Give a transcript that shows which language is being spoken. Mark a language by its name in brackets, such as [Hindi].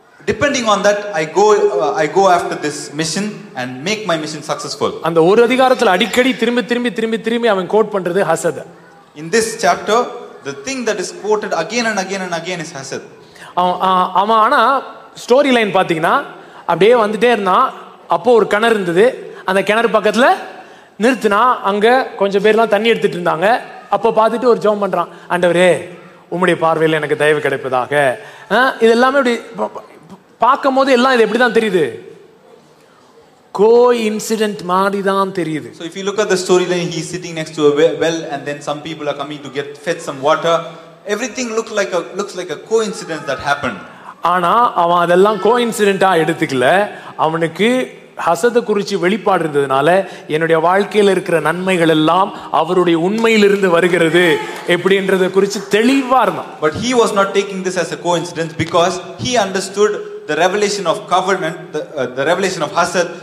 [English] Depending on that, I go after this mission and make my mission successful. [Tamil] அந்த ஒரு அதிகாரத்துல அடிக்கடி திரும்பி திரும்பி திரும்பி திரும்பி அவன் கோட் பண்றது ஹசத். [English] In this chapter, the thing that is quoted again and again and again is Hesed. [Tamil] ஆனா ஸ்டோரி லைன் பாத்தீங்கன்னா அப்படியே வந்துட்டே இருந்தான். அப்போ ஒரு கிணறு இருந்தது. அந்த கிணறு பக்கத்துல நிறுத்தினா அங்க கொஞ்சம் பேர் எல்லாம் தண்ணி எடுத்துட்டு இருந்தாங்க. அப்போ பார்த்துட்டு ஒரு ஜெபம் பண்றான், ஆண்டவரே உம்முடைய பார்வையில் எனக்கு தயவு கிடைப்பதாக. இது எல்லாமே இப்படி பார்க்கும் போது எல்லாம் இது எப்படிதான் தெரியுது? கோஇன்சிடென்ட் மாதிரி தான் தெரியுது. [English] So if you look at the story line, he's sitting next to a well and then some people are coming to get fetch some water. Everything looks like a coincidence that happened. [Tamil] ஆனா அவன் அதெல்லாம் கோஇன்சிடென்ட்டா எடுத்துக்கல. அவனுக்கு ஹசத குறிச்சு வெளிப்பாடு இருந்ததுனால என்னுடைய வாழ்க்கையில் இருக்கிற நன்மைகள் எல்லாம் அவருடைய உண்மையிலிருந்து வருகிறது எப்படின்றத குறிச்சு தெளிவா இருந்தான். [English] But he was not taking this as a coincidence because he understood the revelation of covenant, the revelation of Hesed.